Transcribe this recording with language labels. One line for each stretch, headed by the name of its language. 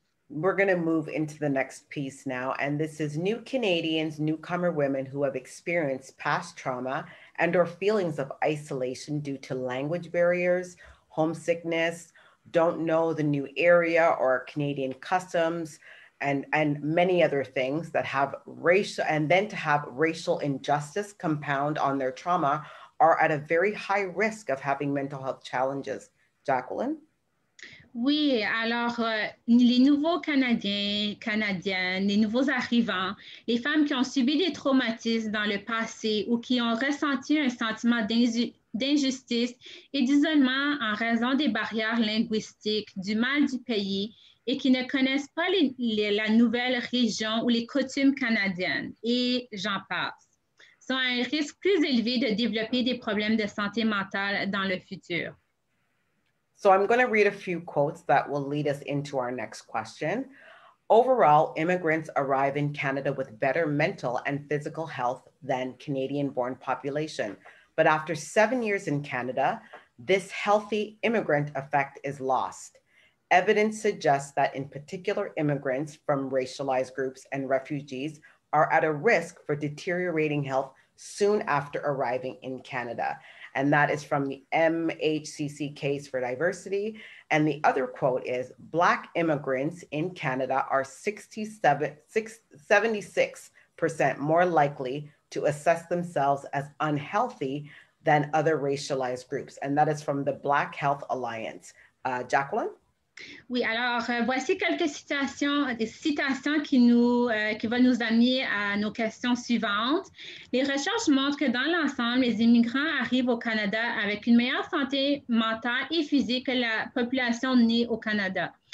English: We're going to move into the next piece now, and this is new Canadians, newcomer women who have experienced past trauma and or feelings of isolation due to language barriers, homesickness, don't know the new area or Canadian customs, and many other things that have racial, and then to have racial injustice compound on their trauma, are at a very high risk of having mental health challenges. Jacklyn?
French: Oui, alors les nouveaux Canadiens, Canadiennes, les nouveaux arrivants, les femmes qui ont subi des traumatismes dans le passé ou qui ont ressenti un sentiment d'injustice et d'isolement en raison des barrières linguistiques, du mal du pays et qui ne connaissent pas la nouvelle région ou les coutumes canadiennes, et j'en passe, sont à un risque plus élevé de développer des problèmes de santé mentale dans le futur.
English: So I'm going to read a few quotes that will lead us into our next question. Overall, immigrants arrive in Canada with better mental and physical health than Canadian-born population. But after 7 years in Canada, this healthy immigrant effect is lost. Evidence suggests that in particular, immigrants from racialized groups and refugees are at a risk for deteriorating health soon after arriving in Canada. And that is from the MHCC case for diversity. And the other quote is, Black immigrants in Canada are 76% more likely to assess themselves as unhealthy than other racialized groups. And that is from the Black Health Alliance. Jacklyn?
French: Oui, alors voici quelques citations qui vont nous amener à nos questions suivantes. Les recherches montrent que dans l'ensemble, les immigrants arrivent au Canada avec une meilleure santé mentale et physique que la population née au Canada.